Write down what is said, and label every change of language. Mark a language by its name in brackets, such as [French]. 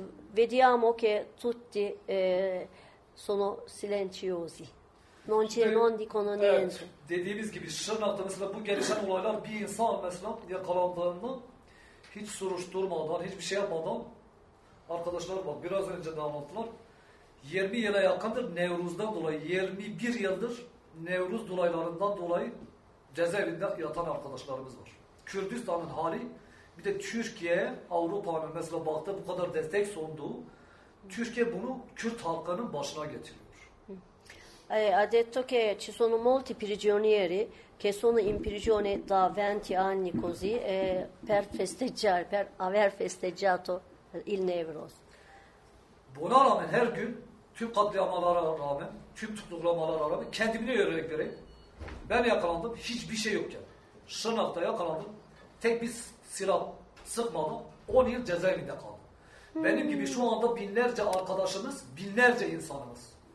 [Italian] Vediamo che tutti sono silenziosi. Non ci non dicono niente. [Turkish] Dediğimiz gibi Şırnak'ta mesela bu gelişen olaylar bir insan mesela yakalandığında hiç soruşturmadan, hiçbir şey yapmadan arkadaşlar bak biraz önce de anlattılar. 20 yıla yakındır Nevruz'dan dolayı 21 yıldır Nevruz dolaylarından dolayı cezaevinde yatan arkadaşlarımız var. Kürdistan'ın hali bir de Türkiye'ye Avrupa'nın mesela baktı bu kadar destek sunduğu Türkiye bunu Kürt halkının başına getiriyor. [Italian] Ha detto che ci sono molti prigionieri che sono in prigione da 20 anni così per festeggiare per aver festeggiato il Nevruz. [Turkish] Buna rağmen her gün tüm katliamalara rağmen, tüm tutuklamalara rağmen kendimine yönelik vereyim. Ben yakalandım hiçbir şey yokken. Şırnak'ta yakalandım. Tek bir silah sıkmadım. 10 yıl cezaevinde kaldım. Benim gibi şu anda binlerce arkadaşımız, binlerce insanımız.